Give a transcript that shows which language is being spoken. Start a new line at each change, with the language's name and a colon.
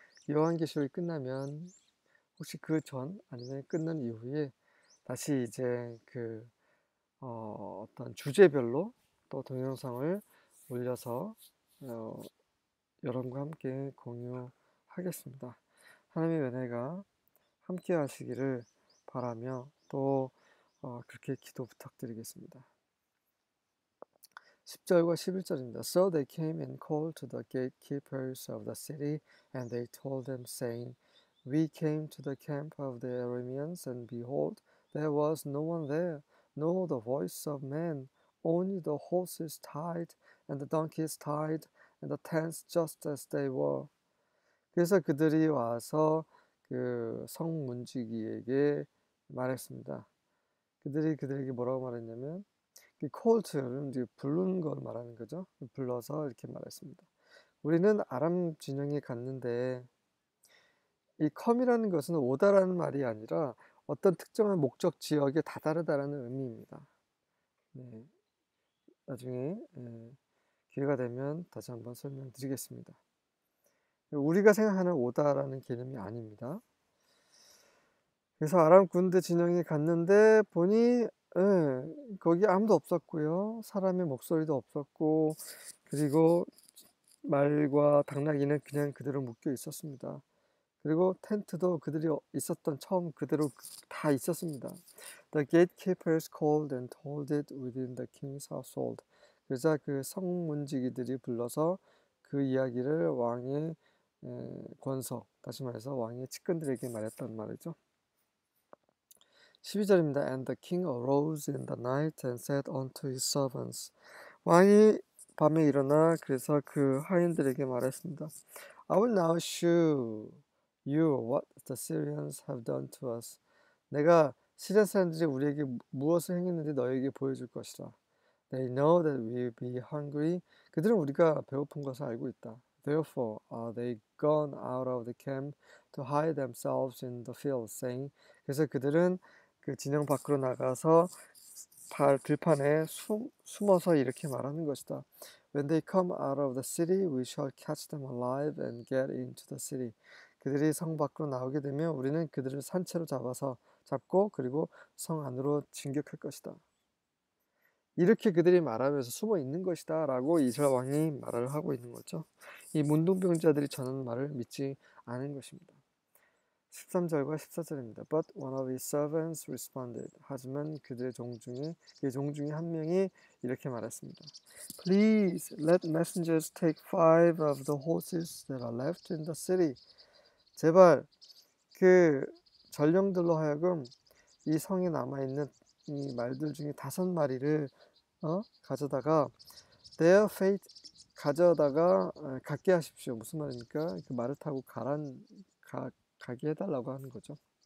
Korean: 요한계시록이 끝나면 혹시 그전 아니면 끝난 이후에 다시 이제 어떤 주제별로 또 동영상을 올려서 여러분과 함께 공유하겠습니다. 하나님의 은혜가 함께 하시기를 바라며 또 그렇게 기도 부탁드리겠습니다. 10절과 11절입니다.
English: So they came and called to the gatekeepers of the city, and they told them, saying, We came to the camp of the Arameans, and behold, there was no one there, nor the voice of man, only the horses tied, and the donkeys tied, and the tents just as they were.
Korean: 그래서 그들이 와서 성 문지기에게 말했습니다. 그들이 그들에게 뭐라고 말했냐면, 콜트는 부른 걸 말하는 거죠. 불러서 이렇게 말했습니다. 우리는 아람 진영에 갔는데, 이 컴이라는 것은 오다라는 말이 아니라 어떤 특정한 목적 지역에 다다르다라는 의미입니다. 네. 나중에 기회가 되면 다시 한번 설명드리겠습니다. 우리가 생각하는 오다라는 개념이 아닙니다. 그래서 아람 군대 진영에 갔는데 보니 거기 아무도 없었고요. 사람의 목소리도 없었고, 그리고 말과 당나귀는 그냥 그대로 묶여 있었습니다. 그리고 텐트도 그들이 있었던 처음 그대로 다 있었습니다.
English: The gatekeepers called and told it within the king's household.
Korean: 그러자 그 성문지기들이 불러서 그 이야기를 왕의 권속, 다시 말해서 왕의 측근들에게 말했단 말이죠. 12절입니다.
English: And the king arose in the night and said unto his servants.
Korean: 왕이 밤에 일어나 그래서 그 하인들에게 말했습니다.
English: I will now show you what the Syrians have done to us.
Korean: 내가 시리아 사람들이 우리에게 무엇을 행했는지 너에게 보여줄 것이다.
English: They know that we'll be hungry.
Korean: 그들은 우리가 배고픈 것을 알고 있다.
English: Therefore, they gone out of the camp to hide themselves in the field, saying,
Korean: 그래서 그들은 그 진영 밖으로 나가서 들판에 숨어서 이렇게 말하는 것이다.
English: When they come out of the city, we shall catch them alive and get into the city.
Korean: 그들이 성 밖으로 나오게 되면 우리는 그들을 산채로 잡고 그리고 성 안으로 진격할 것이다. 이렇게 그들이 말하면서 숨어 있는 것이다 라고 이스라엘 왕이 말을 하고 있는 거죠. 이 문둥병자들이 전하는 말을 믿지 않은 것입니다. 13절과 14절입니다.
English: But one of his servants responded.
Korean: 하지만 그의 종 중에 한 명이 이렇게 말했습니다.
English: Please let messengers take five of the horses that are left in the city.
Korean: 제발 그 전령들로 하여금 이 성에 남아있는 이 말들 중에 다섯 마리를 가져다가
English: their fate
Korean: 가져다가 갖게 하십시오. 무슨 말입니까? 그 말을 타고 가게 해달라고 하는 거죠.